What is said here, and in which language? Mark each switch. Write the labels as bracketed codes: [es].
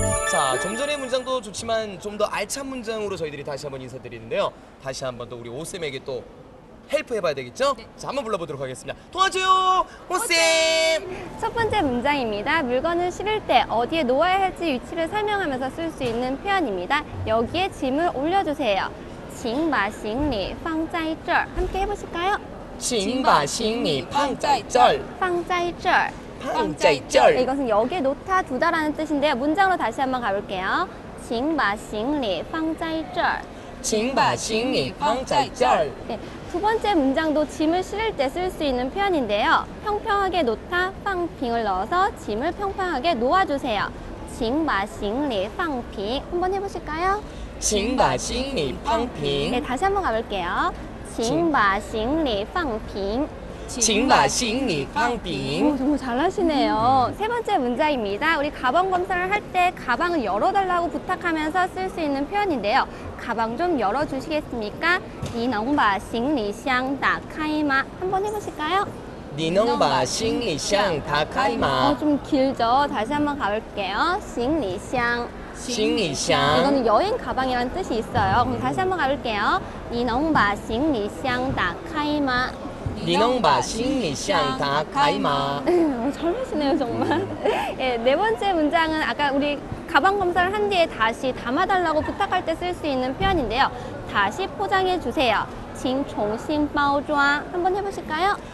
[ko] 자, 좀 전의 문장도 좋지만 좀 더 알찬 문장으로 저희들이 다시 한번 인사드리는데요. 다시 한번 또 우리 오쌤에게 또 헬프 해봐야 되겠죠? 네. 자, 한번 불러보도록 하겠습니다. 도와줘요! 호쌤! 첫 번째 문장입니다. 물건을 실을 때 어디에 놓아야 할지 위치를 설명하면서 쓸 수 있는 표현입니다. 여기에 짐을 올려주세요. [zh] 请把行李放在这儿 [ko] 함께 해보실까요? [zh] 请把行李放在这儿放在这儿放在这儿 [ko] 이것은 여기에 놓다 두다라는 뜻인데요. 문장으로 다시 한번 가볼게요. [zh] 请把行李放在这儿请把行李放在这儿 [ko] 두 번째 문장도 짐을 실을 때 쓸 수 있는 표현인데요. 평평하게 놓다, 放平을 넣어서 짐을 평평하게 놓아주세요. [zh] 请把行李放平 [ko] 한번 해보실까요? [zh] 请把行李放平 [ko] 네, 다시 한번 가볼게요. [zh] 请把行李放平请把行李放平 [ko] 오, 정말 잘하시네요. 세 번째 문장입니다. 우리 가방 검사를 할 때 가방을 열어달라고 부탁하면서 쓸 수 있는 표현인데요. 가방 좀 열어주시겠습니까? [zh] 你能把行李箱打开吗? [ko] 한번 해보실까요? [zh] 你能把行李箱打开吗? [ko] 좀 길죠? 다시 한번 가볼게요. 行李箱 [zh] 行李箱 [ko] 이거는 여행 가방이라는 뜻이 있어요. 그럼 다시 한번 가볼게요. [zh] 你能把行李箱打开吗? 你能把行李箱打开吗? [ko] 잘하시네요, 정말. 네, 네 번째 문장은 아까 우리 가방 검사를 한 뒤에 다시 담아달라고 부탁할 때 쓸 수 있는 표현인데요. 다시 포장해 주세요. [zh] 请重新包装 [ko] 한번 해보실까요?